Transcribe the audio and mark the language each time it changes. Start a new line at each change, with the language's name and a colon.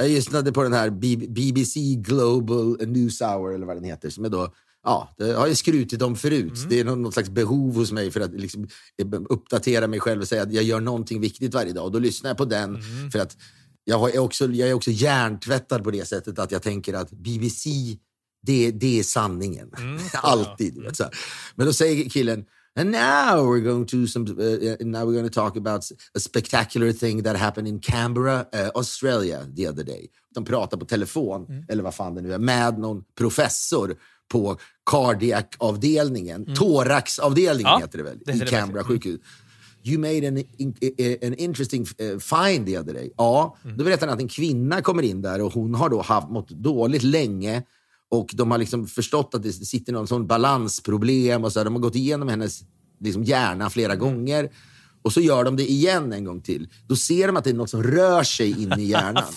Swedish: Jag gissnade på den här BBC Global News Hour eller vad den heter, som är då, ja, det har jag skrutit om förut. Mm. Det är någon slags behov hos mig för att liksom uppdatera mig själv och säga att jag gör någonting viktigt varje dag. Och då lyssnar jag på den. Mm. För att jag är också hjärntvättad på det sättet att jag tänker att BBC, det är sanningen. Mm. Alltid. Mm. Så. Men då säger killen:
English: "And now we're going to talk about a spectacular thing that happened in Canberra, Australia the other day."
Swedish: De pratar på telefon, eller vad fan det nu är, med någon professor på cardiac-avdelningen, thorax-avdelningen, heter det väl, i Canberra sjukhus.
English: "You made an interesting find the other day."
Swedish: Ja, då berättar han att en kvinna kommer in där och hon har då haft mått dåligt länge. Och de har liksom förstått att det sitter någon sån balansproblem och så här. De har gått igenom hennes liksom hjärna flera gånger. Och så gör de det igen en gång till. Då ser de att det är något som rör sig in i hjärnan.